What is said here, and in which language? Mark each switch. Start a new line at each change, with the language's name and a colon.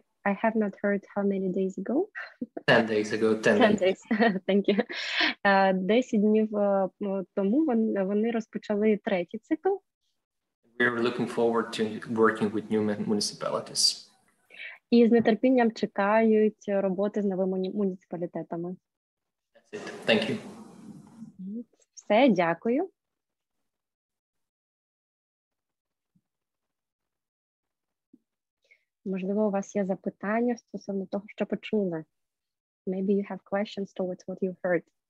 English: I have not heard how many days ago. 10 days ago. Thank you.
Ukrainian: 10 днів тому вони розпочали третій цикл.
English: We are looking forward to working with new municipalities.
Ukrainian: І з нетерпінням чекають роботи з новими муніципалітетами.
English: That's it. Thank you.
Ukrainian: Все, дякую. Можливо, у вас є запитання стосовно того, що почули.
English: Maybe you have questions towards what you heard.